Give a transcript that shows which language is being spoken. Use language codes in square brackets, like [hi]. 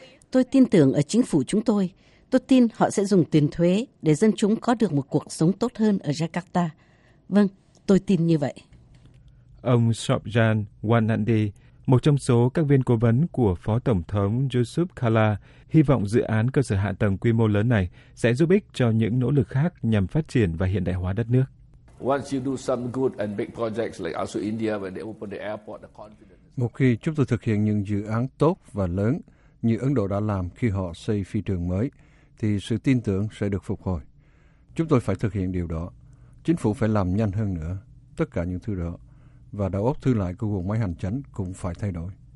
[vi] Tôi tin tưởng ở chính phủ chúng tôi. Tôi tin họ sẽ dùng tiền thuế để dân chúng có được một cuộc sống tốt hơn ở Jakarta. Vâng, tôi tin như vậy. Ông Sobjan Wanandi, một trong số các viên cố vấn của Phó Tổng thống Yusuf Kalla, hy vọng dự án cơ sở hạ tầng quy mô lớn này sẽ giúp ích cho những nỗ lực khác nhằm phát triển và hiện đại hóa đất nước. [en] Once you do some good and big projects like also India when they open the airport, the confidence. [vi] Một khi chúng tôi thực hiện những dự án tốt và lớn như Ấn Độ đã làm khi họ xây phi trường mới, thì sự tin tưởng sẽ được phục hồi. Chúng tôi phải thực hiện điều đó. Chính phủ phải làm nhanh hơn nữa. tất cả những thứ đó, và đầu óc thư lại của guồng máy hành chính cũng phải thay đổi.